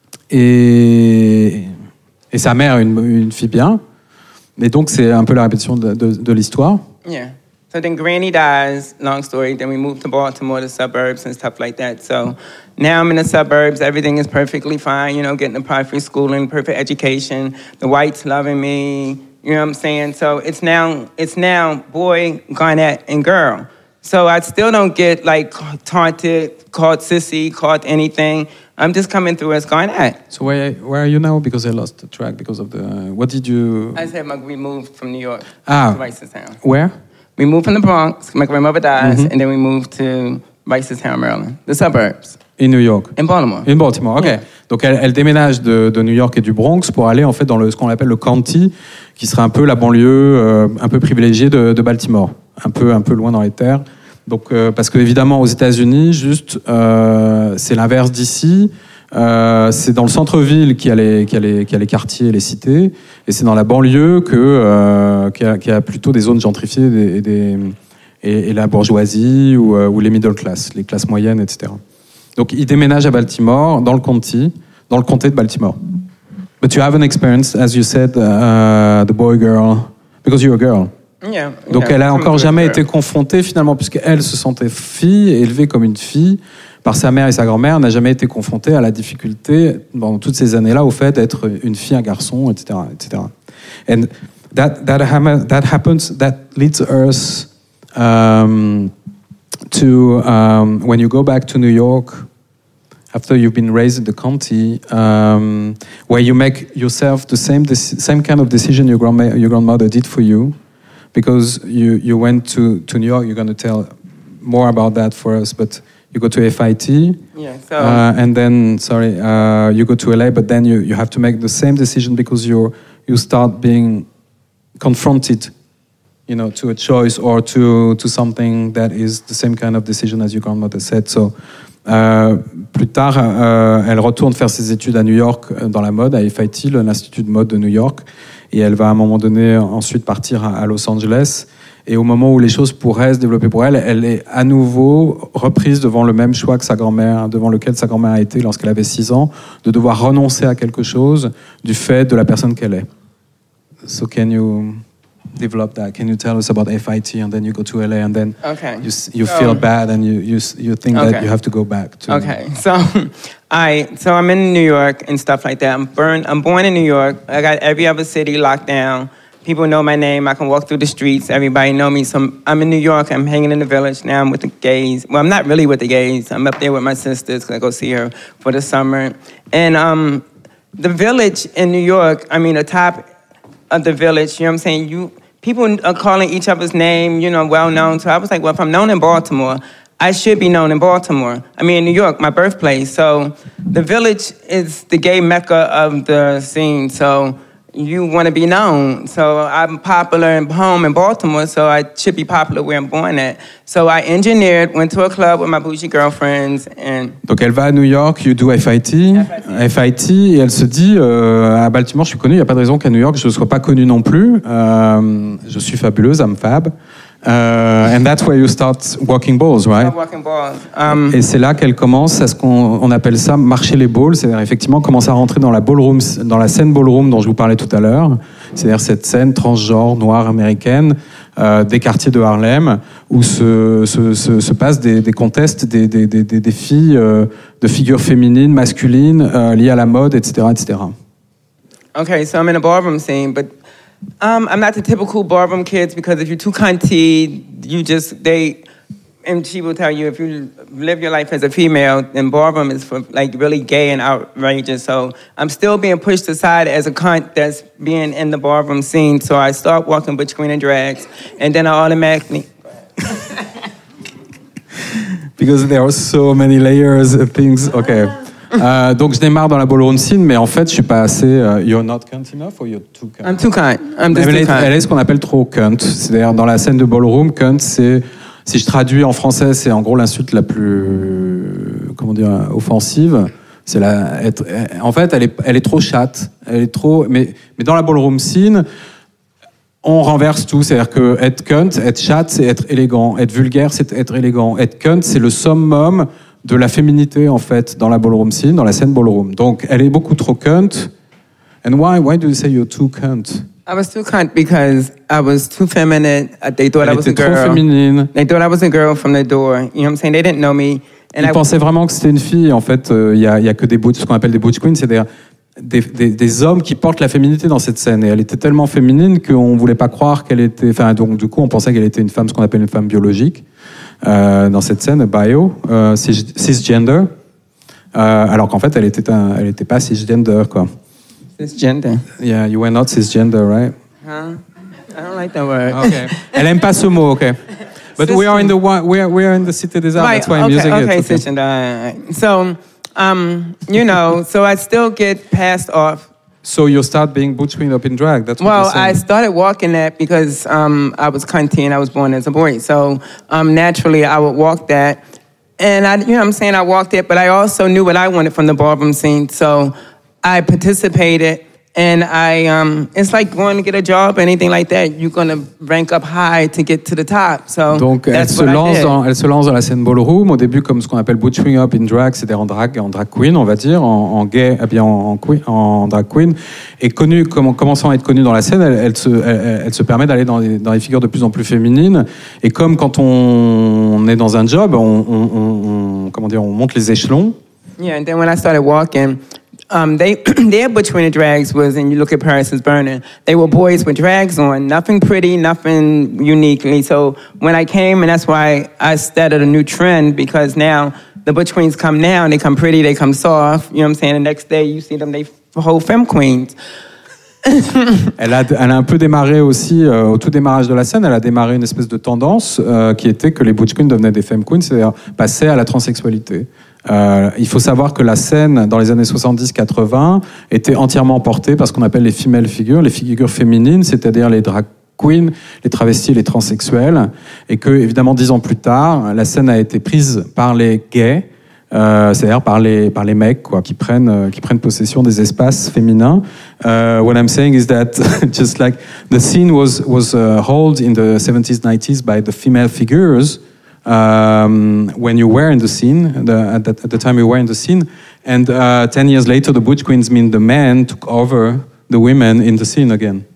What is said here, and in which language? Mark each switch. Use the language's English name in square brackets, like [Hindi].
[French] Et sa mère, une fille bien. Et donc c'est un peu la répétition de l'histoire. [English] Yeah. So then Granny dies, long story, then we move to Baltimore, the suburbs and stuff like that. So now I'm in the suburbs, everything is perfectly fine, you know, getting a private schooling, perfect education, the whites loving me, you know what I'm saying? So it's now boy, Garnett, and girl. So I still don't get, like, taunted, called sissy, called anything. I'm just coming through as Garnett. So where are you now? Because I lost the track because of the... What did you... I said we moved from New York to Reisterstown. Where? We moved from the Bronx, my grandmother dies, mm-hmm. and then we moved to Reisterstown, Maryland, the suburbs. In New York. In Baltimore. In Baltimore, okay. Yeah. [French] Donc elle déménage de New York et du Bronx pour aller en fait dans ce qu'on appelle le county, qui serait un peu la banlieue un peu privilégiée de Baltimore, un peu loin dans les terres. Donc, parce qu'évidemment aux États-Unis, juste, c'est l'inverse d'ici. C'est dans le centre-ville qu'il y a les quartiers et les cités, et c'est dans la banlieue qu'il y a plutôt des zones gentrifiées et la bourgeoisie ou les middle class, les classes moyennes, etc. Donc il déménage à Baltimore, dans le comté de Baltimore. [English] But you have an experience, as you said, the boy girl, because you're a girl. Yeah, [French] donc [English] yeah, [French] elle a encore jamais été confrontée finalement, puisqu'elle se sentait fille, élevée comme une fille. Par sa mère et sa grand-mère, n'a jamais été confrontée à la difficulté pendant toutes ces années-là au fait d'être une fille, un garçon, etc., etc. [English] And that happens, that leads us to when you go back to New York after you've been raised in the county, where you make yourself the same kind of decision your grandmother did for you, because you went to New York. You're going to tell more about that for us, but you go to FIT, yeah, so. And then, sorry, you go to LA, but then you have to make the same decision because you start being confronted, you know, to a choice or to something that is the same kind of decision as your grandmother said. [French] So, plus tard, elle retourne faire ses études à New York, dans la mode, à FIT, l'Institut de mode de New York, et elle va à un moment donné ensuite partir à Los Angeles. Et au moment où les choses pourraient se développer pour elle, elle est à nouveau reprise devant le même choix que sa grand-mère, devant lequel sa grand-mère a été lorsqu'elle avait 6 ans, de devoir renoncer à quelque chose du fait de la personne qu'elle est. [English] So can you develop that? Can you tell us about FIT and then you go to LA and then you feel bad and you think that you have to go back to... Okay, so I'm in New York and stuff like that. I'm born in New York. I got every other city locked down. People know my name. I can walk through the streets. Everybody know me. So I'm in New York. I'm hanging in the Village. Now I'm with the gays. Well, I'm not really with the gays. I'm up there with my sisters because I go see her for the summer. And the Village in New York, I mean, the top of the Village, you know what I'm saying? People are calling each other's name, you know, well-known. So I was like, well, if I'm known in Baltimore, I should be known in Baltimore. I mean, in New York, my birthplace. So the Village is the gay mecca of the scene. So... you want to be known. So I'm popular and home in Baltimore, so I should be popular where I'm born at. So I engineered, went to a club with my bougie girlfriends and... [French] Donc elle va à New York, [English] you do [French] FIT. FIT, et elle se dit, à Baltimore, je suis connue, il n'y a pas de raison qu'à New York, je ne sois pas connue non plus. Je suis fabuleuse, [English] I'm fab. And that's where you start walking balls, right? [French] Et c'est là qu'elle commence à ce qu'on appelle ça marcher les balls, c'est-à-dire effectivement commencer à rentrer dans la ballroom, dans la scène ballroom dont je vous parlais tout à l'heure, c'est-à-dire cette scène transgenre noire américaine des quartiers de Harlem où se passent des contests, des filles de figures féminines, masculines liées à la mode, etc., etc. [English] Okay, so I'm in a ballroom scene, but I'm not the typical ballroom kids because if you're too cunty, you just, they, and she will tell you, if you live your life as a female, then ballroom is for, like, really gay and outrageous. So I'm still being pushed aside as a cunt that's being in the ballroom scene. So I start walking between the drags, and then I automatically... because there are so many layers of things, okay. [French] Donc je démarre dans la ballroom scene, mais en fait je suis pas assez. [English] You're not cunt enough, or you're too cunt. I'm too cunt. I'm just too cunt. [French] Elle est ce qu'on appelle trop cunt. C'est-à-dire dans la scène de ballroom, cunt, c'est, si je traduis en français, c'est en gros l'insulte la plus, comment dire, offensive. C'est la être. En fait, elle est trop chatte. Elle est trop. Mais dans la ballroom scene, on renverse tout. C'est-à-dire que être cunt, être chatte, c'est être élégant. Être vulgaire, c'est être élégant. Être cunt, c'est le summum de la féminité, en fait, dans la ballroom scene, dans la scène ballroom. Donc, elle est beaucoup trop cunt. [English] And why do you say you're too cunt? I was too cunt because I was too feminine. They thought [French] elle [English] I was a girl. [French] Trop féminine. [English] They thought I was a girl from the door. You know what I'm saying? They didn't know me. [French] And ils pensaient vraiment que c'était une fille. En fait, il y a que des butch, ce qu'on appelle des butch queens, c'est-à-dire des hommes qui portent la féminité dans cette scène. Et elle était tellement féminine qu'on voulait pas croire qu'elle était... Enfin, donc, du coup, on pensait qu'elle était une femme, ce qu'on appelle une femme biologique. Dans cette scène, bio, cisgender, alors qu'en fait, elle était pas cisgender, quoi. Cisgender. [English] Yeah, you were not cisgender, right? Huh? I don't like that word. Okay. [French] Elle aime pas ce mot, [English] okay. But cisgender. we are in the city [French] des arts. [English] That's why I'm using it. Okay, cisgender. So, you know, so I still get passed off. So you start being butch queen up in drag. That's what you're saying. Well, I started walking that because I was cunty and I was born as a boy. So naturally, I would walk that. And I, you know what I'm saying? I walked it, but I also knew what I wanted from the ballroom scene. So I participated. And I, it's like going to get a job or anything like that. You're going to rank up high to get to the top. So [French] donc, [English] that's [French] elle se [English] what [French] lance [English] I did. [French] Dans, elle se lance dans la scène ballroom, au début comme ce qu'on appelle [English] butchering up in drag, [French] c'est-à-dire en drag queen, on va dire, en drag queen. Et connue, commençant à être connue dans la scène, elle se permet d'aller dans les figures de plus en plus féminines. Et comme quand on est dans un job, on monte les échelons. [English] Yeah, and then when I started walking... their between the drags was, and you look at Paris is Burning, they were boys with drags on, nothing pretty, nothing uniquely. So when I came, and that's why I started a new trend, because now the butch queens come now, and they come pretty, they come soft, you know what I'm saying? The next day you see them, they whole femme queens. [French] elle a un peu démarré aussi, au tout démarrage de la scène, elle a démarré une espèce de tendance qui était que les butch queens devenaient des femme queens, c'est-à-dire passaient à la transsexualité. Il faut savoir que la scène dans les années 70-80 était entièrement portée par ce qu'on appelle les figures féminines, c'est-à-dire les drag queens, les travestis, les transsexuels, et que évidemment 10 ans plus tard, la scène a été prise par les gays, c'est-à-dire par les mecs quoi, qui prennent possession des espaces féminins. [English] What I'm saying is that just like the scene was held in the 70s, 90s by the female figures when you were in the scene, at the time you were in the scene, and 10 years later the butch queens, mean the men, took over the women in the scene again.